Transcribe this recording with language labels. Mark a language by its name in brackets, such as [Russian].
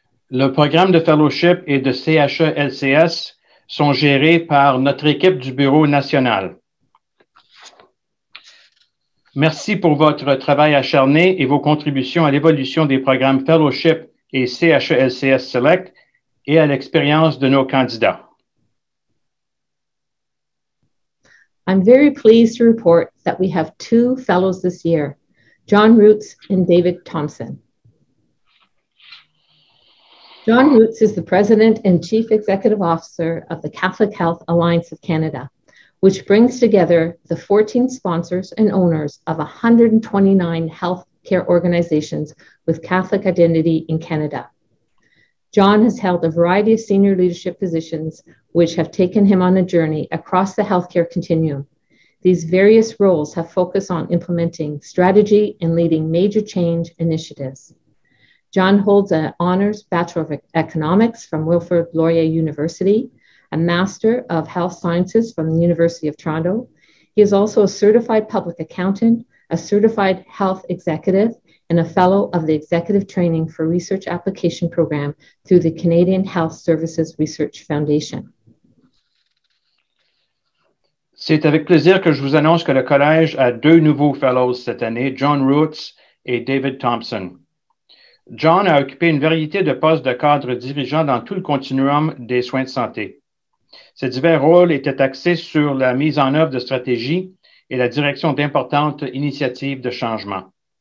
[French] Le programme de fellowship et de CHE-LCS sont gérés par notre équipe du Bureau national. Merci pour votre travail acharné et vos contributions à l'évolution des programmes fellowship et CHE-LCS Select et à l'expérience de nos candidats. [English] I'm very pleased to report that we have two fellows this year, John Roots and David Thompson. John Roots is the President and Chief Executive Officer of the Catholic Health Alliance of Canada, which brings together the 14 sponsors and owners of 129 healthcare organizations with Catholic identity in Canada. John has held a variety of senior leadership positions, which have taken him on a journey across the healthcare continuum. These various roles have focused on implementing strategy and leading major change initiatives. John holds an Honors Bachelor of Economics from Wilfrid Laurier University, a Master of Health Sciences from the University of Toronto. He is also a certified public accountant, a certified health executive, and a fellow of the Executive Training for Research Application Program through the Canadian Health Services Research Foundation. [French] C'est avec plaisir que je vous annonce que le Collège a deux nouveaux fellows cette année, John Roots et David Thompson. John a occupé une variété de postes de cadre dirigeant dans tout le continuum des soins de santé. Ses divers rôles étaient axés sur la mise en œuvre de stratégies et la direction d'importantes initiatives de changement.